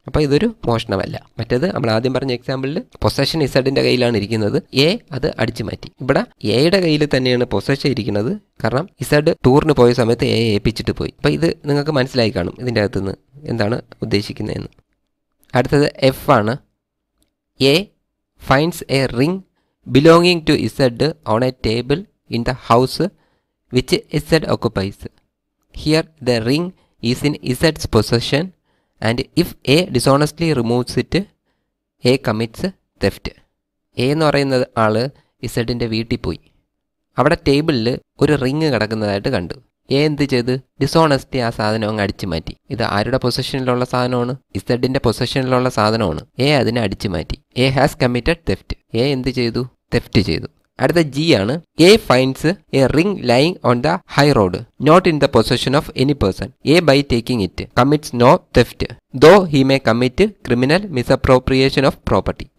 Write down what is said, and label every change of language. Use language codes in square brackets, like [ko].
[ml] അപ്പൊ ഇതൊരു മോഷണമല്ല. മറ്റേത് നമ്മൾ ആദ്യം പറഞ്ഞ എക്സാമ്പിളിൽ പൊസഷൻ ഇസഡിന്റെ കയ്യിലാണ് ഇരിക്കുന്നത്, എ അത് അടിച്ചു മാറ്റി. ഇവിടെ എയുടെ കയ്യിൽ തന്നെയാണ് പൊസഷൻ ഇരിക്കുന്നത്, കാരണം ഇസഡ് ടൂറിന് പോയ സമയത്ത് എ ഏൽപ്പിച്ചിട്ട് പോയി. അപ്പൊ ഇത് നിങ്ങൾക്ക് മനസ്സിലായി കാണും ഇതിൻ്റെ അകത്ത് നിന്ന് എന്താണ് ഉദ്ദേശിക്കുന്നതെന്ന്. അടുത്തത് എഫ് ആണ്, [en] A finds a ring belonging to Z on a table in the house which Z occupies. Here the ring is in Z's possession and if A dishonestly removes it, A commits theft. [ml] A എന്ന് പറയുന്ന ആള് ഇസഡിന്റെ വീട്ടിൽ പോയി, അവിടെ ടേബിളിൽ ഒരു ring കിടക്കുന്നതായിട്ട് കണ്ടു. A എന്ത് ചെയ്ത്, ഡിസോണസ്റ്റി ആ സാധനം അങ്ങ് അടിച്ചു മാറ്റി. ഇത് ആരുടെ പൊസഷനിലുള്ള സാധനമാണ്, ഇസഡിന്റെ പൊസഷനിലുള്ള സാധനമാണ്. എ അതിനെ അടിച്ചു മാറ്റി. [en] A has committed theft. [ml] A എന്ത് ചെയ്തു, തെഫ്റ്റ് ചെയ്തു. അടുത്ത ജി ആണ്, [en] A finds a ring lying on the high road not in the possession of any person, A by taking it commits no theft though he may commit criminal misappropriation of property.